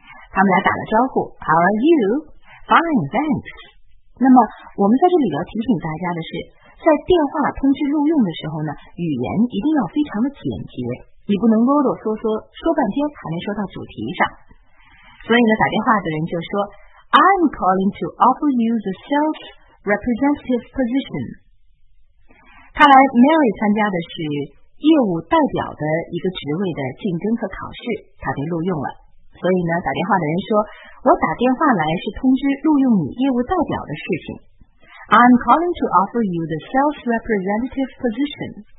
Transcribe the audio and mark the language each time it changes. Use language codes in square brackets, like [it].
[zh] 他们俩打了招呼 [en] How are you? Fine, thanks. [zh] 那么我们在这里要提醒大家的是，在电话通知录用的时候呢，语言一定要非常的简洁，你不能啰啰嗦嗦，说半天还没说到主题上。所以呢，打电话的人就说 [en] I'm calling to offer you the sales representative position. [zh] 看来 Mary 参加的是业务代表的一个职位的竞争和考试，她被录用了。所以呢，打电话的人说，我打电话来是通知录用你业务代表的事情。 [en] I'm calling to offer you the sales representative position.